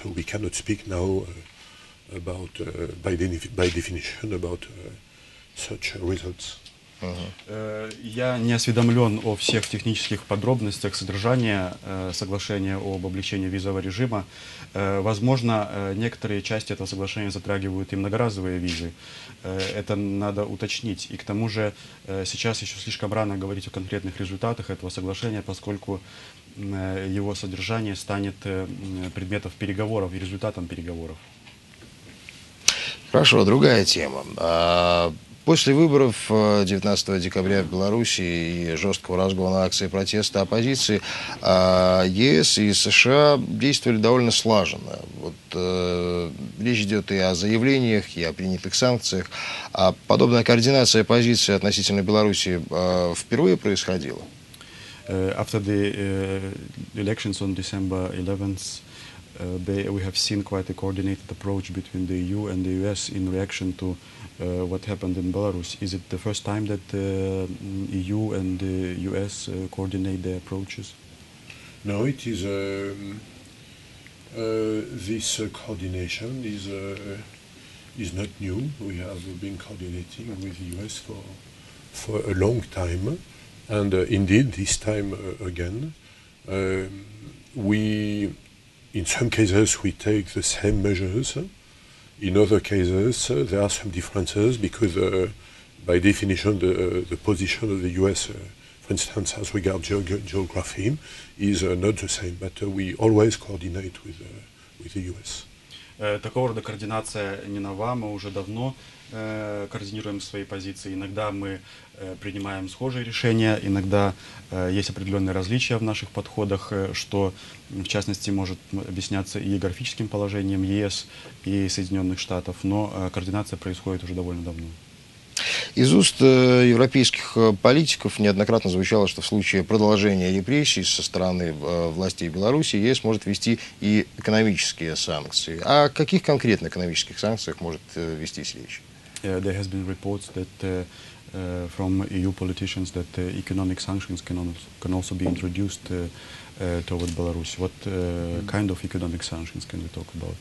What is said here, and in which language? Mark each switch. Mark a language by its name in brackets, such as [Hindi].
[English] So we cannot speak now about by definition about such results. [Russian] Я не осведомлен о всех технических подробностях содержания соглашения об облегчении визового режима. Возможно, некоторые части этого соглашения затрагивают и многоразовые визы. Это надо уточнить. И к тому же сейчас еще слишком рано говорить о конкретных результатах этого соглашения, поскольку его содержание станет предметом переговоров и результатом переговоров. Хорошо, другая тема. После выборов 19 декабря в Беларуси и жесткого разгона акций протеста оппозиции, ЕС и США действовали довольно слаженно. Вот, речь идет и о заявлениях, и о принятых санкциях. А подобная координация позиции относительно Беларуси впервые происходила? [English] After the elections on December 11th, we have seen quite a coordinated approach between the EU and the US in reaction to what happened in Belarus. Is it the first time that the EU and the US coordinate their approaches? No, it is. This coordination is not new. We have been coordinating with the US for a long time, and indeed this time again, we. In some cases, we take the same measures. In other cases, there are some differences because, by definition, the position of the U.S., for instance, as regards geography, is not the same. But we always coordinate with the U.S. [Russian] Такого рода координация не нова. Мы уже давно координируем свои позиции. Иногда мы принимаем схожие решения, иногда есть определенные различия в наших подходах, что, в частности, может объясняться и географическим положением ЕС и Соединенных Штатов, но координация происходит уже довольно давно. Из уст европейских политиков неоднократно звучало, что в случае продолжения репрессий со стороны властей Беларуси ЕС может ввести и экономические санкции. О каких конкретно экономических санкциях может вестись речь? [English] There has been reports that from EU politicians that economic sanctions can also be introduced toward Belarus. What kind of economic sanctions can we talk about?